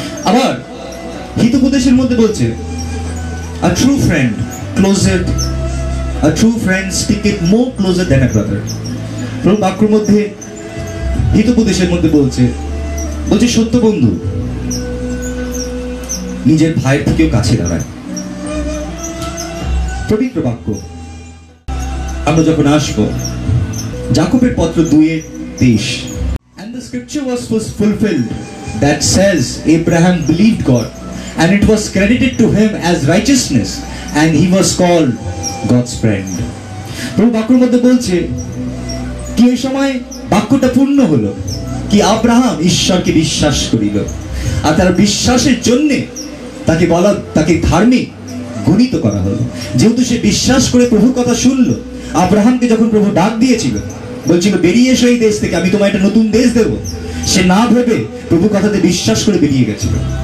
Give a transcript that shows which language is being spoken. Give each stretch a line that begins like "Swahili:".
Bangla: আবার হিতোপদেশের মধ্যে বলছে
English: A true friend closer, a true friend stick it more closer than a brother.
Bangla: প্রভু বাক্যের মধ্যে হিতোপদেশের মধ্যে বলছে, বলছে সত্য বন্ধু নিজের ভাইয়ের থেকেও কাছে দাঁড়ায়। পবিত্র বাক্য আমরা যখন আসবো যাকোবের পত্র 2:23,
English: and the scripture was fulfilled that says Abraham believed God and it was credited to him as righteousness and he was called God's friend.
Bangla: প্রভু বাক্যের মধ্যে বলছে কি এই সময় বাক্যটা পূর্ণ হলো কি আব্রাহাম ঈশ্বরকে বিশ্বাস করিল আর তার বিশ্বাসের জন্য তাকে বলা তাকে ধার্মিক গণিত করা হলো। যেহেতু সে বিশ্বাস করে প্রভুর কথা শুনল, আব্রাহামকে যখন প্রভু ডাক দিয়েছিল বলছিল বেরিয়ে এসো এই দেশ থেকে আমি তোমায় একটা নতুন দেশ দেব, সে না ভেবে প্রভুর কথাতে বিশ্বাস করে বেরিয়ে গেছিল।